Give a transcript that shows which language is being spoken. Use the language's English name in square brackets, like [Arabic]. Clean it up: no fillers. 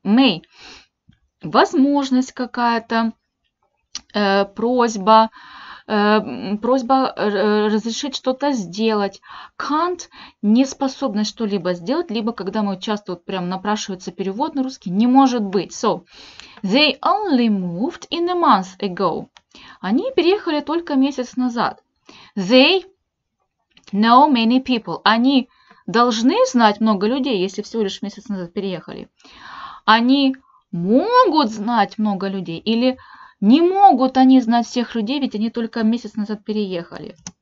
[Russian] May – возможность какая-то, просьба. Просьба разрешить что-то сделать. Can't – неспособность что-либо сделать, либо когда мы часто вот прям напрашивается перевод на русский. Не может быть. [English] So, they only moved in a month ago. [Russian] Они переехали только месяц назад. [English] They know many people. [Russian] Они должны знать много людей, если всего лишь месяц назад переехали. Они могут знать много людей или... Не могут они знать всех людей, ведь они только месяц назад переехали.